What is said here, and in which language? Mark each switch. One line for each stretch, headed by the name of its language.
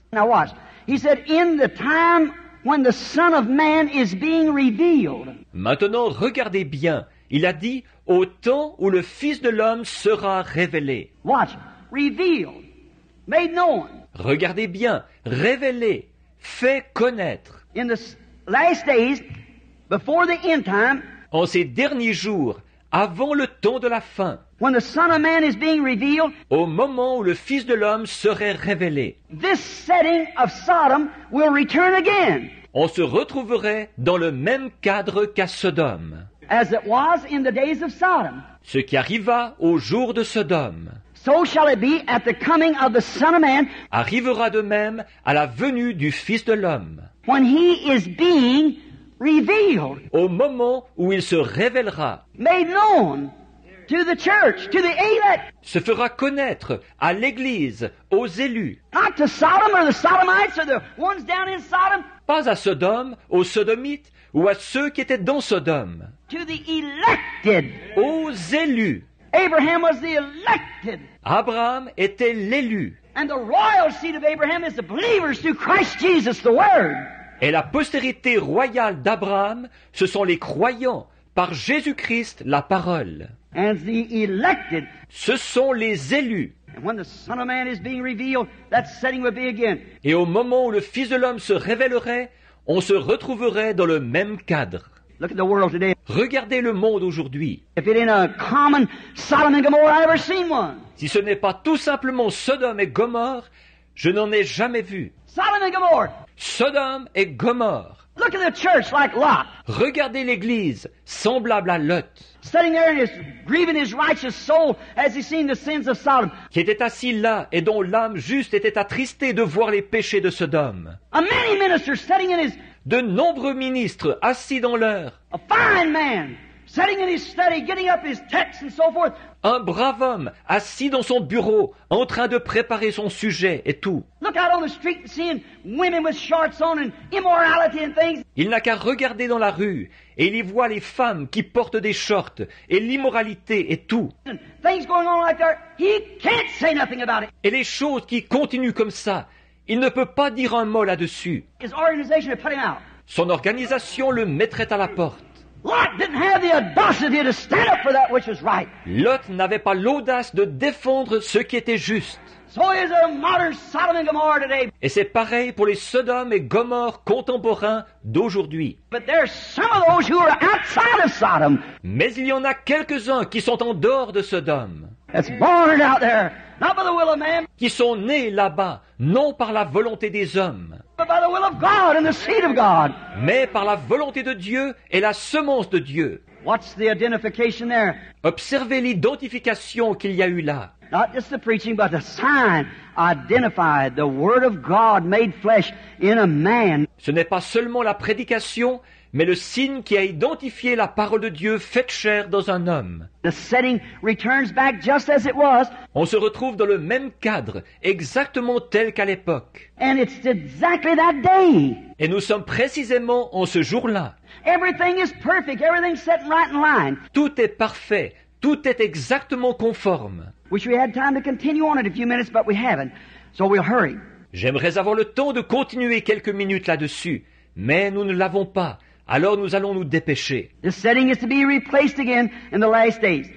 English: Now watch. He said, in the time when the Son of Man is being revealed.
French: Maintenant, regardez bien. Il a dit, au temps où le Fils de l'homme sera révélé.
English: Watch. Revealed. Made known.
French: Regardez bien. Révélé. Fait connaître.
English: In the last days, before the end time.
French: En ces derniers jours, avant le temps de la fin.
English: When the Son of Man is being revealed,
French: au moment où le Fils de l'homme serait révélé,
English: this setting of Sodom will return again.
French: On se retrouverait dans le même cadre qu'à Sodome.
English: As it was in the days of Sodom.
French: Ce qui arriva au jour de Sodome.
English: So shall it be at the coming of the Son of Man.
French: Arrivera de même à la venue du Fils de l'homme.
English: When he is being revealed.
French: Au moment où il se révélera.
English: Made known. To the church, to the elect.
French: Se fera connaître à l'église, aux élus.
English: Not to Sodom or the Sodomites or the ones down in Sodom.
French: Pas à Sodome, aux Sodomites ou à ceux qui étaient dans Sodome.
English: To the elected.
French: Aux élus.
English: Abraham was the elected.
French: Abraham était l'élu.
English: And the royal seed of Abraham is the believers through Christ Jesus, the Word.
French: Et la postérité royale d'Abraham, ce sont les croyants par Jésus-Christ, la parole.
English: And the elected.
French: Ce sont les élus.
English: And when the Son of Man is being revealed, that setting would be again.
French: Et au moment où le Fils de l'homme se révélerait, on se retrouverait dans le même cadre.
English: Look at the world today.
French: Regardez le monde aujourd'hui.
English: If it ain't a common Sodom and Gomorrah, I've ever seen one.
French: Si ce n'est pas tout simplement Sodome et Gomorre, je n'en ai jamais vu.
English: Sodom and Gomorrah.
French: Sodome et Gomorre.
English: Look at the church like Lot.
French: Regardez l'église semblable à Lot.
English: Sitting there and grieving his righteous soul as he seen the sins of Sodom.
French: Qui était assis là et dont l'âme juste était attristée de voir les péchés de Sodome.
English: A many minister sitting in his
French: de nombreux ministres assis dans leur.
English: A fine man, sitting in his study, getting up his texts and so forth.
French: Un brave homme assis dans son bureau, en train de préparer son sujet et tout.
English: Look out on the street and seeing women with shorts on and immorality and things.
French: Il n'a qu'à regarder dans la rue et il y voit les femmes qui portent des shorts et l'immoralité et tout.
English: And things going on like that, he can't say nothing about it.
French: Et les choses qui continuent comme ça, il ne peut pas dire un mot là-dessus.
English: His organization would put him out.
French: Son organisation le mettrait à la porte.
English: Lot didn't have the audacity to stand up for that which was right.
French: Lot n'avait pas l'audace de défendre ce qui était juste.
English: So is a modern Sodom and Gomorrah today.
French: Et c'est pareil pour les Sodome et Gomorre contemporains d'aujourd'hui.
English: But there are some of those who are outside of Sodom.
French: Mais il y en a quelques-uns qui sont en dehors de Sodome.
English: That's born out there, not by the will of man.
French: Qui sont nés là-bas, non par la volonté des hommes.
English: By the will of God and the seed of God.
French: Mais par la volonté de Dieu et la semence de Dieu.
English: What's the identification there?
French: Observez l'identification qu'il y a eu là.
English: Not just the preaching, but the sign identified the word of God made flesh in a man.
French: Ce n'est pas seulement la prédication, mais le signe qui a identifié la parole de Dieu faite chair dans un homme.
English: The setting returns back just as it was.
French: On se retrouve dans le même cadre, exactement tel qu'à l'époque.
English: And it's exactly that day.
French: Et nous sommes précisément en ce jour-là.
English: Everything is perfect. Everything's set right in line.
French: Tout est parfait. Tout est exactement conforme.
English: Wish we had time to continue on it a few minutes, but we haven't. So we'll hurry.
French: J'aimerais avoir le temps de continuer quelques minutes là-dessus, mais nous ne l'avons pas. Alors nous allons nous dépêcher.
English: The setting is to be replaced again in the last days.